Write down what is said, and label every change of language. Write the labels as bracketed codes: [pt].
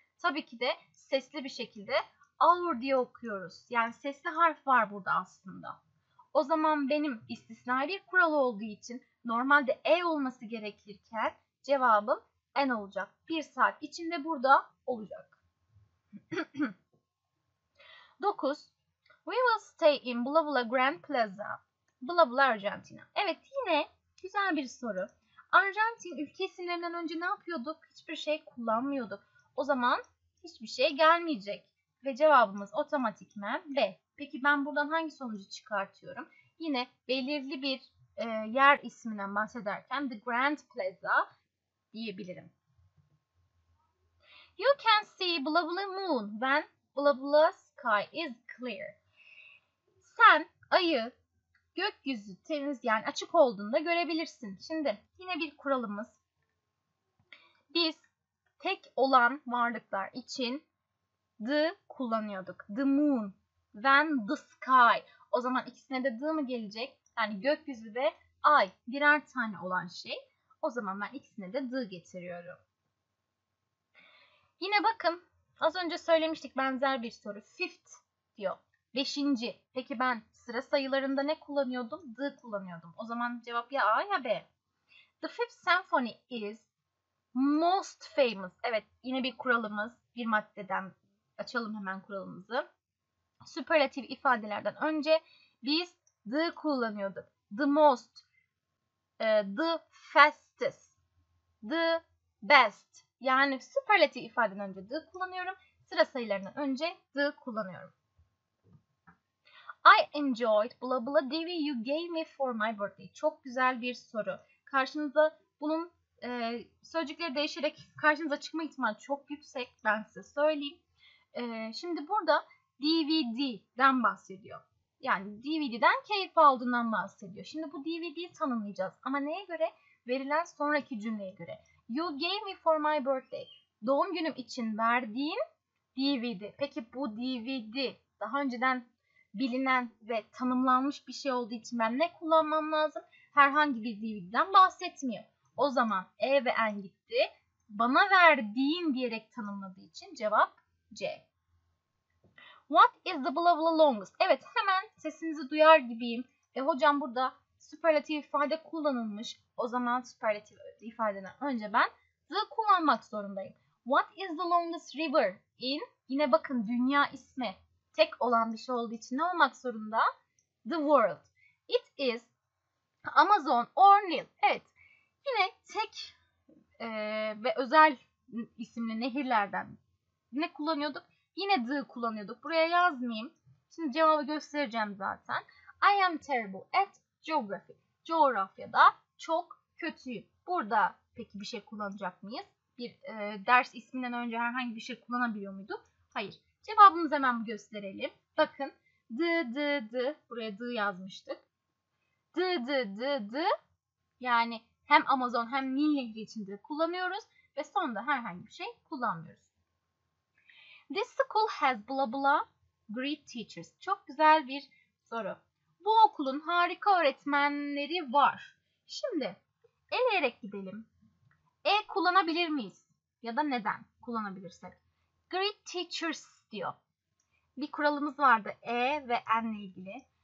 [tr] Tabii ki de sesli bir şekilde hour diye okuyoruz. Yani sesli harf var burada aslında. O zaman benim istisnai bir kural olduğu için normalde E olması gerekirken cevabım N olacak. Bir saat içinde burada olacak. 9. [en] We will stay in blah blah Grand Plaza. Blah blah Argentina. [tr] Evet, yine güzel bir soru. Arjantin ülke isimlerinden önce ne yapıyorduk? Hiçbir şey kullanmıyorduk. O zaman hiçbir şey gelmeyecek. Ve cevabımız otomatikmen B. Peki ben buradan hangi sonucu çıkartıyorum? Yine belirli bir yer isminden bahsederken The Grand Plaza diyebilirim. [en] You can see blah blah moon when blah blah sky is clear. [tr] Sen ayı gökyüzü temiz, yani açık olduğunda görebilirsin. Şimdi yine bir kuralımız. Biz tek olan varlıklar için the kullanıyorduk. [en] The moon, when the sky. [tr] O zaman ikisine de the mı gelecek? Yani gökyüzü ve ay birer tane olan şey. O zaman ben ikisine de the getiriyorum. Yine bakın, az önce söylemiştik benzer bir soru. Fifth diyor. Beşinci. Peki ben sıra sayılarında ne kullanıyordum? The kullanıyordum. O zaman cevap ya A ya B. [en] The Fifth Symphony is most famous. [tr] Evet, yine bir kuralımız. Bir maddeden açalım hemen kuralımızı. Superlative ifadelerden önce biz the kullanıyorduk. [en] The most, the fastest, the best. [tr] Yani superlative ifadeden önce the kullanıyorum. Sıra sayılarından önce the kullanıyorum. [en] I enjoyed blah blah DV you gave me for my birthday. [tr] Çok güzel bir soru. Karşınıza bunun sözcükleri değişerek karşınıza çıkma ihtimali çok yüksek. Ben size söyleyeyim. Şimdi burada DVD'den bahsediyor. Yani DVD'den keyif aldığından bahsediyor. Şimdi bu DVD'yi tanımlayacağız. Ama neye göre? Verilen sonraki cümleye göre. [en] You gave me for my birthday. [tr] Doğum günüm için verdiğin DVD. Peki bu DVD daha önceden bilinen ve tanımlanmış bir şey olduğu için ben ne kullanmam lazım? Herhangi bir DVD'den bahsetmiyor. O zaman E ve N gitti. Bana verdiğin diyerek tanımladığı için cevap C. [en] What is the blah blah longest? [tr] Evet, hemen sesinizi duyar gibiyim. Hocam burada superlative ifade kullanılmış. O zaman superlative ifadeden önce ben the kullanmak zorundayım. [en] What is the longest river in? [tr] Yine bakın, dünya ismi. Tek olan bir şey olduğu için ne olmak zorunda? [en] The world. It is Amazon or Nile. [tr] Evet. Yine tek ve özel isimli nehirlerden ne kullanıyorduk? Yine the kullanıyorduk. Buraya yazmayayım. Şimdi cevabı göstereceğim zaten. [en] I am terrible at geography. [tr] Coğrafyada çok kötüyüm. Burada peki bir şey kullanacak mıyız? Bir ders isminden önce herhangi bir şey kullanabiliyor muyduk? Hayır. Cevabımızı hemen gösterelim. Bakın. The. Buraya the yazmıştık. [en] The. [tr] Yani hem Amazon hem Nil Nehri için de kullanıyoruz. Ve sonunda herhangi bir şey kullanmıyoruz. [en] This school has blah blah great teachers. [tr] Çok güzel bir soru. Bu okulun harika öğretmenleri var. Şimdi Eleyerek gidelim. E kullanabilir miyiz? Ya da neden kullanabilirsek? Great teachers diyor. Bir kuralımız vardı E ve N ile ilgili.